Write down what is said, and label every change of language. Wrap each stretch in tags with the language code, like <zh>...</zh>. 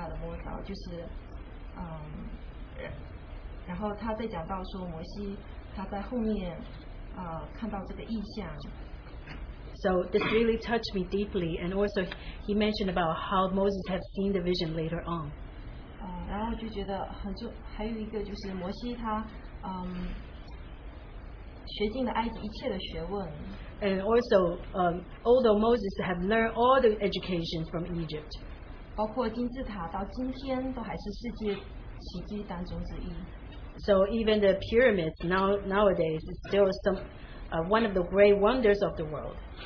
<zh>所以我觉得这一点是对我一个很大的摸着，就是。然后他在讲到说摩西他在后面看到这个异象。</zh> <en>So this really touched me deeply, and also he mentioned about how Moses had seen the vision later on.</en> <zh>然后就觉得还有一个就是摩西他学尽了埃及一切的学问。</zh> <en>And also, although Moses had learned all the education from Egypt,</en> <zh>包括金字塔到今天都还是世界奇迹当中之一。</zh> <en>So even the pyramids nowadays is still one of the great wonders of the world.</en>